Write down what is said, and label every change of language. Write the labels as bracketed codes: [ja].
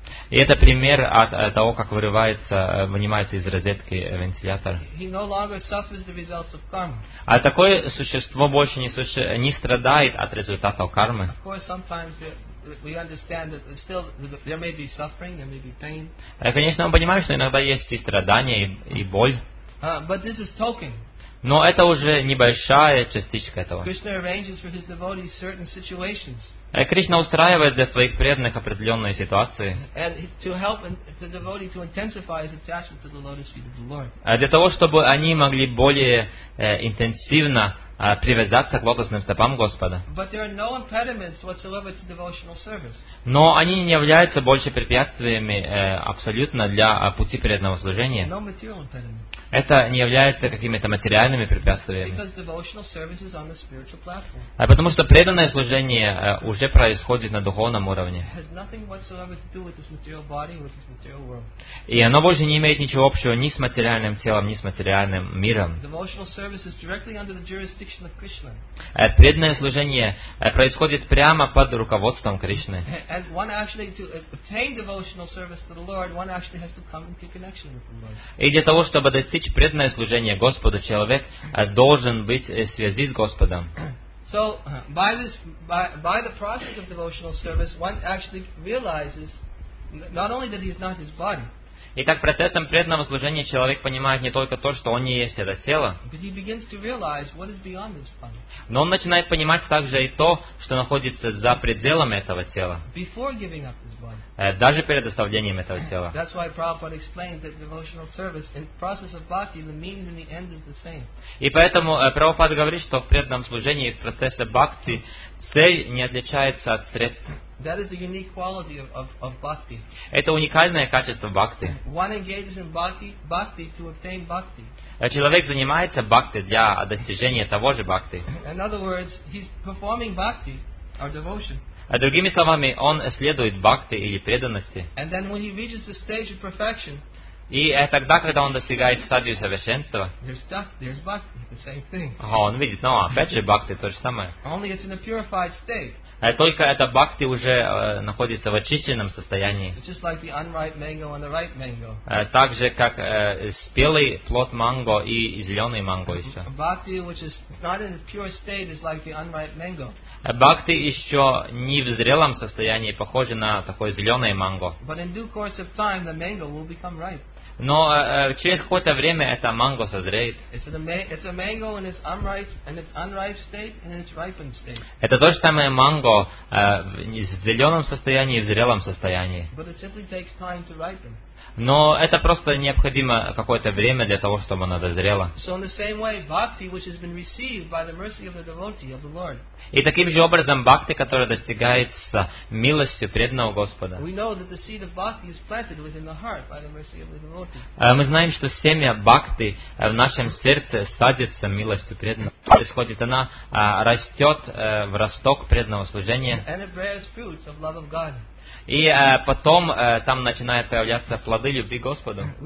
[ru] И это пример от того, как вынимается из розетки вентилятор. [en] He no longer suffers the results of karma. [ru] А такое существо больше не страдает от результатов кармы. [en] Of course, sometimes we understand that still there may be suffering, there may be pain. [ru] Конечно, мы понимаем, что иногда есть и страдания, и боль. [en] But this is token. [ru] Но это уже небольшая частичка этого. [en] Krishna arranges for his devotees certain situations. [ru] Кришна устраивает для своих преданных определенные ситуации. [en] And to help the devotee to intensify his attachment to the lotus feet of the Lord. [ru] Для того, чтобы они могли более интенсивно привязаться к лотосным стопам Господа. [en] But there are no impediments whatsoever to devotional service. [ru] Но они не являются больше препятствиями абсолютно для пути преданного служения. [en] No material impediment. [ru] Это не является какими-то материальными препятствиями. [en] Because devotional service is on the spiritual platform. [ru] А потому что преданное служение уже происходит на духовном уровне. [en] Has nothing whatsoever to do with this material body or with this material world. [ru] И оно больше не имеет ничего общего ни с материальным телом, ни с материальным миром. [en] Devotional service is directly under the jurisdiction of Krishna. [ru] Преданное служение происходит прямо под руководством Кришны. [en] And one actually to obtain devotional service to the Lord, one actually has to come into connection with the Lord. [ru] И для того, чтобы достичь преданное служение Господу, человек должен быть в связи с Господом. [en] So, by the process of devotional service, one actually realizes not only that he is not his body. [ru] Итак, процессом преданного служения человек понимает не только то, что он не есть это тело, [en] but he begins to realize what is beyond this body. [ru] Но он начинает понимать также и то, что находится за пределами этого тела. [en] Before giving up this body. [ru] Даже перед оставлением этого тела. [en] That's why Prabhupada explains that devotional service in process of bhakti, the means and the end is the same. [ru] И поэтому Прабхупада говорит, что в преданном служении, в процессе бхакти, цель не отличается от средств. [en] That is the unique quality of bhakti. [ru] Это уникальное качество бхакти. [en] One engages in bhakti to obtain bhakti. [ru] Человек занимается бхакти для достижения того же бхакти. [en] In other words, he's performing bhakti, or devotion. [ru] А другими словами, он следует бхакти или преданности. [en] And then when he reaches the stage of perfection. [ru] И тогда, когда он достигает стадии совершенства, [en] there's bhakti, the same thing. [ru] Он видит, но опять же бхакти то же самое. [en] Only it's in a purified state. [ru] Только эта бхакти уже находится в очищенном состоянии. [en] Just like the unripe mango and the ripe mango. [ru] Так же, как спелый плод манго и зеленый манго еще. [en] Bhakti, which is not in a pure state, is like the unripe mango. [ru] Бхакти еще не в зрелом состоянии, похоже на такое зеленое манго. [en] But in due course of time, the mango will become ripe. [ru] Но через какое-то время это манго созреет. [en] It's a mango in its unripe, state and in its ripened state. [ru] Это то же самое манго в зеленом состоянии и в зрелом состоянии. [en] But it simply takes time to ripen. [ru] Но это просто необходимо какое-то время для того, чтобы она дозрела. [en] So in the same way, bhakti, which has been received by the mercy of the devotee of the Lord. [ru] И таким же образом бхакти, которая достигается милостью преданного Господа. [en] We know that the seed of bhakti is planted within the heart by the mercy of the devotee. [ru] Мы знаем, что семя бхакти в нашем сердце садится милостью преданного. Происходит она растет в росток преданного служения. [en] And it bears fruits of love of God. [ru] И потом там начинают появляться плоды любви Господу.